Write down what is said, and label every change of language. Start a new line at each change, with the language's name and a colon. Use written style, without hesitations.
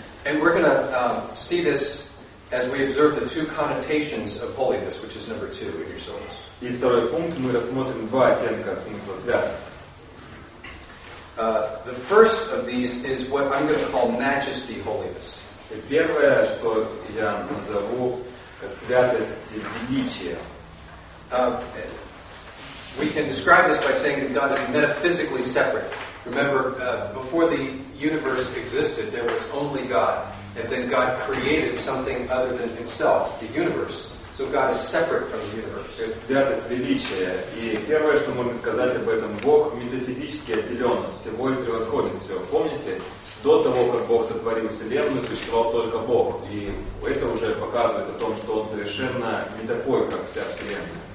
English: And we're going to see this as we observe the two connotations of holiness, which is number two in your syllabus.
Russian: И второй пункт, мы рассмотрим два оттенка смысла святости.
English: The first of these is what I'm going to call majesty holiness.
Russian: И первое, что я назову святость величия.
English: We can describe this by saying that God is metaphysically separate. Remember, before the universe existed, there was only God. And then God created something other than himself, the universe. So God is separate from the universe.
Russian: Святость величия. И первое, что можно сказать об этом, Бог метафизически отделен от всего и превосходит все. Помните, до того, как Бог сотворил Вселенную, существовал только Бог. И это уже показывает о том, что Он совершенно не такой, как вся Вселенная.